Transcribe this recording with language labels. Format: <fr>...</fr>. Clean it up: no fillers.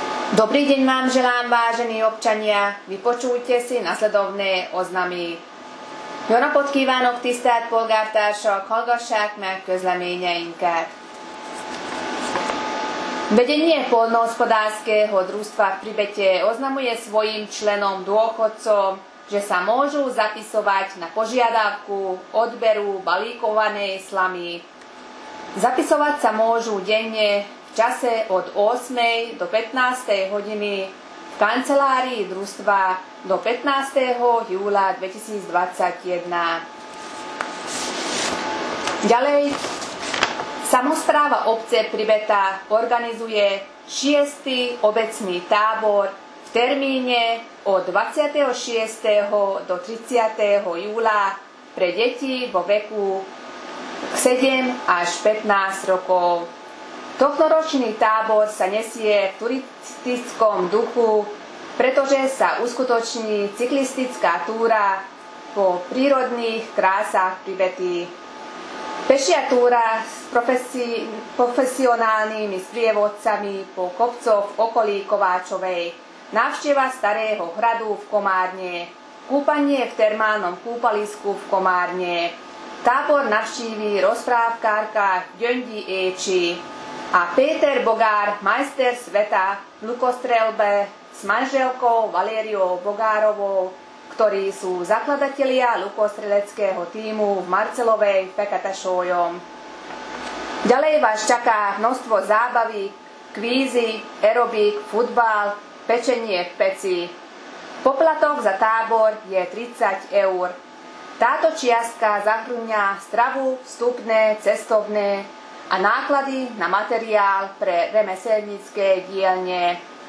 <sk>Dobrý deň vám želám, vážení občania. Vypočujte si nasledovné oznamy.</sk> <hu>Jó napot kívánok, tisztelt polgártársak, hallgassák meg közleményeinket.</hu> <sk>Vedenie poľnohospodárskeho družstva v Pribete oznamuje svojim členom dôchodcom, že sa môžu zapisovať na požiadavku odberu balíkovanej slamy. Zapisovať sa môžu denne v čase od 8. do 15. hodiny v kancelárii družstva do 15. júla 2021. Ďalej, samospráva obce Pribeta organizuje 6. obecný tábor v termíne od 26. do 30. júla pre deti vo veku 7 až 15 rokov. Tohtoročný tábor sa nesie v turistickom duchu, pretože sa uskutoční cyklistická túra po prírodných krásach Pribety. Pešia túra s profesionálnymi sprievodcami po kopcoch v okolí Kováčovej, návšteva starého hradu v Komárne, kúpanie v termálnom kúpalisku v Komárne, tábor navštíví rozprávkárka Gyöngyi Écsi a Péter Bogár, majster sveta v lukostrelbe s manželkou Valériou Bogárovou, ktorí sú zakladatelia lukostreleckého týmu v Marcelovej Fekatašójom. Ďalej vás čaká množstvo zábavy, kvízy, aerobik, futbal, pečenie v peci. Poplatok za tábor je 30 eur. Táto čiastka zahŕňa stravu, vstupné, cestovné a náklady na materiál pre remeselnícke dielne.</sk>